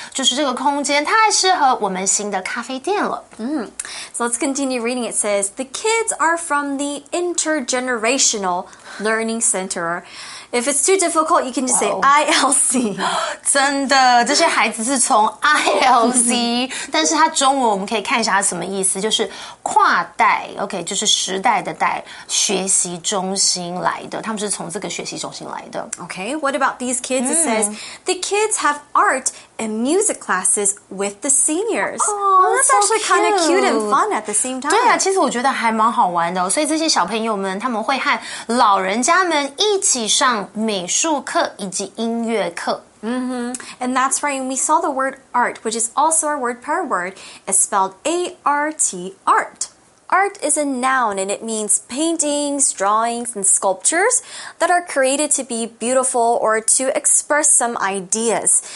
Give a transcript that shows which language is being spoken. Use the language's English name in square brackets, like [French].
[Chinese] 就是这个空间太适合我们新的咖啡店了。 [English] So let's continue reading. It says, the kids are from the Intergenerational Learning Center. If it's too difficult, you can just say ILC. [Chinese] 真的，这些孩子是从 ILC, 但是它中文我们可以看一下它什么意思，就是跨代 ，OK， 就是时代的代学习中心来的，他们是从这个学习中心来的。 [English] OK, what about these kids? It says the kids have art and music classes with the seniors. Oh, that's actually kind of cute and fun at the same time. [Chinese] 对啊，其实我觉得还蛮好玩的、哦，所以这些小朋友们他们会和老人家们一起上。美术课以及音乐课。 [English] And that's right. We saw the word art, which is also our word pair word. It's spelled A-R-T, art. Art is a noun, and it means paintings, drawings, and sculptures that are created to be beautiful or to express some ideas.